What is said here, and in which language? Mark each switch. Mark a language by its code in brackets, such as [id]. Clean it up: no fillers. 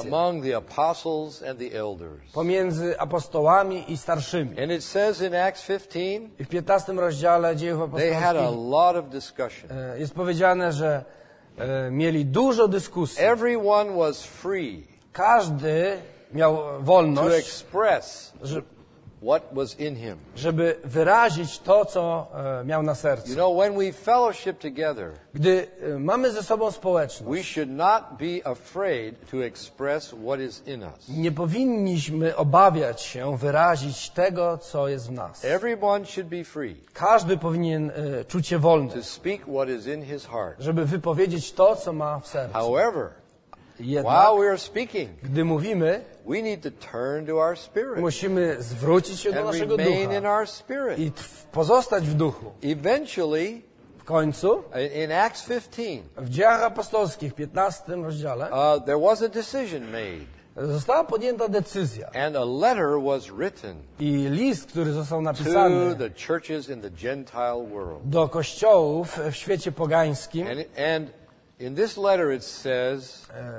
[en] Among the apostles and the elders. [pl] Pomiędzy apostołami i starszymi. [en] And it says in Acts 15, [pl] i w 15 rozdziale Dziejów Apostolskich, [en] they had a lot of discussion. [pl] Jest powiedziane, że mieli dużo dyskusji. [en] Everyone was free. [pl] Każdy miał wolność, [en] to express, what was in him. [pl] Żeby wyrazić to, co miał na sercu. [en] You know, when we fellowship together, [pl] gdy mamy ze sobą społeczność, [en] we should not be afraid to express what is in us. [pl] Nie powinniśmy obawiać się wyrazić tego, co jest w nas. [en] Everyone should be free. [pl] Każdy powinien czuć się wolny, [en] to speak what is in his heart. [pl] Żeby wypowiedzieć to, co ma w sercu. [en] However, [pl] jednak, [en] while we are speaking, [pl] gdy mówimy, [en] we need to turn to our spirit. [pl] Musimy zwrócić się do naszego ducha [en] in our spirit. [pl] I pozostać w duchu. [en] Eventually, [pl] w końcu, [en] in Acts 15, [pl] w Dziejach Apostolskich, 15 rozdziale, [en] there was a decision made. [pl] Została podjęta decyzja. [en] And a letter was written. [pl] I list, który został napisany [en] to the churches in the Gentile world. [pl] Do kościołów w świecie pogańskim. [en] And in this letter it says,